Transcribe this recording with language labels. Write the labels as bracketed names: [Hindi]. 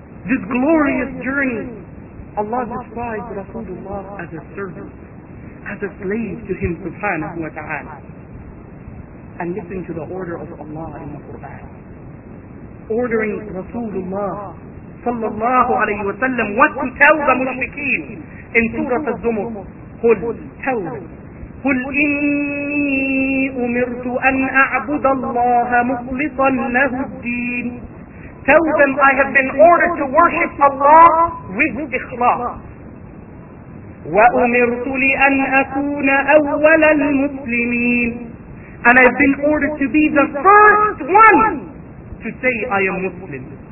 [English] This glorious journey, Allah describes Rasulullah as a servant, as a slave to him, subhanahu wa ta'ala. And listen to the order of Allah in the Qur'an. Ordering Rasulullah sallallahu alayhi wa sallam what to tell the mushrikeen in Surah Az-Zumur. قل tell them. [Arabic] قل إني أمرت أن أعبد الله مخلصا له الدين. [English] tell them, I have been ordered to worship Allah with ikhlas. [Arabic] وَأُمِرْتُ لِأَنْ أَكُونَ أَوَّلَ الْمُسْلِمِينَ [English] And I've been ordered to be the first one to say I am Muslim.